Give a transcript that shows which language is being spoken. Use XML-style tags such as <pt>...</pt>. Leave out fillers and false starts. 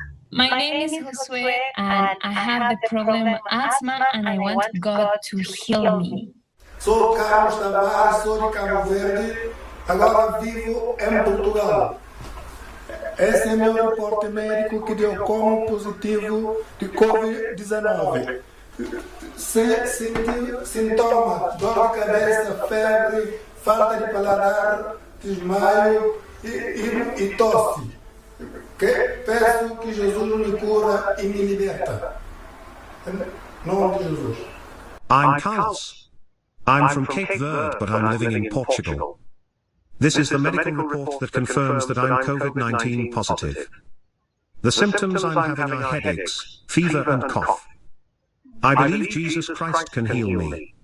<en>my name is Josue, and I have the problem of asthma, and I want God to heal me.</en> <pt>Sou Carlos Tavares, sou de Cabo Verde, agora vivo em Portugal. Esse é meu reporte médico que deu como positivo de COVID-19. Senti sintoma, dor de cabeça, febre, falta de paladar, desmaio. E tosse. Que peço que Jesus me cura e me liberta. Em nome de Jesus.</pt> <en>I'm Carlos. I'm from Cape Verde, but I'm living in Portugal. This is the medical report that confirms that I'm COVID-19 positive. The symptoms I'm having are headaches, fever and cough. I believe Jesus Christ can heal me.</en>